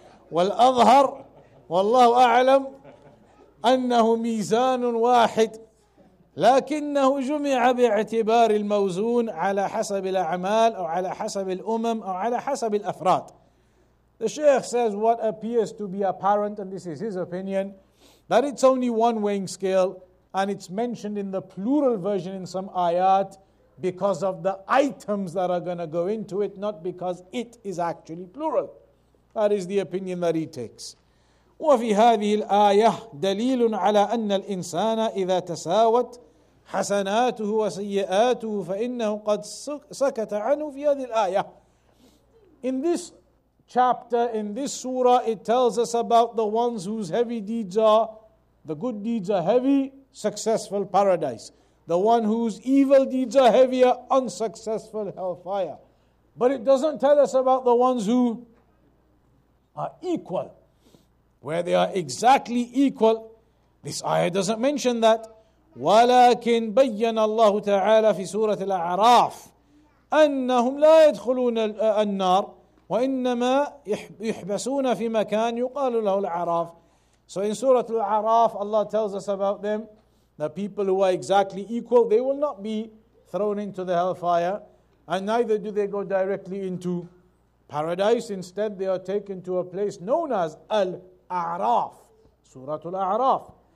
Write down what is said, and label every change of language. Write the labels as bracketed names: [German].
[Arabic] وَالْأَظْهَرْ وَاللَّهُ أَعْلَمْ أَنَّهُ مِيزَانٌ وَاحِدٌ لكنه جمع باعتبار الموزون على حسب الأعمال أو على حسب الأمم أو على حسب الأفراد. [English] The Shaykh says what appears to be apparent, and this is his opinion, that it's only one weighing scale, and it's mentioned in the plural version in some ayat because of the items that are going to go into it, not because it is actually plural. That is the opinion that he takes. [Arabic] وفي هذه الآية دليل على أن الإنسان إذا تساوت حسناته وسيئاته فإنه قد سكت عنه في هذه الآية. [English] In this chapter, in this surah, it tells us about the ones whose heavy deeds are, the good deeds are heavy, successful paradise. The one whose evil deeds are heavier, unsuccessful hellfire. But it doesn't tell us about the ones who are equal. Where they are exactly equal, this ayah doesn't mention that. [Arabic] ولكن بين الله تعالى في سورة الأعراف أنهم لا يدخلون النار وإنما يحبسون في مكان يقال له الأعراف. [English] So in سورة الأعراف, Allah tells us about them, the people who are exactly equal, they will not be thrown into the hellfire, and neither do they go directly into paradise. Instead, they are taken to a place known as Al A'raf, Surah Al-A'raf.